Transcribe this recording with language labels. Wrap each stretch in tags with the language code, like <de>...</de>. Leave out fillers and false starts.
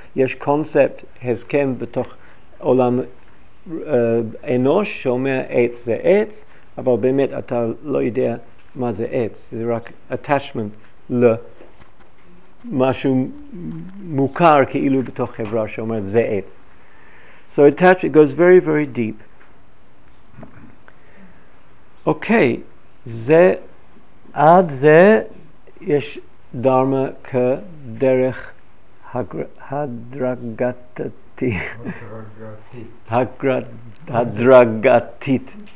<he>יש קונספט, הסכם בתוך עולם אנוש שאומר עץ זה עץ, אבל באמת אתה לא יודע מה זה עץ. זה רק attachment משהו מוכר כאילו בתוך חברה שאומרת זה עץ.</he> <en>So attachment goes very very deep.</en> <he>Okay, זה עד זה יש דרמה כדרך הדרגתית.</he>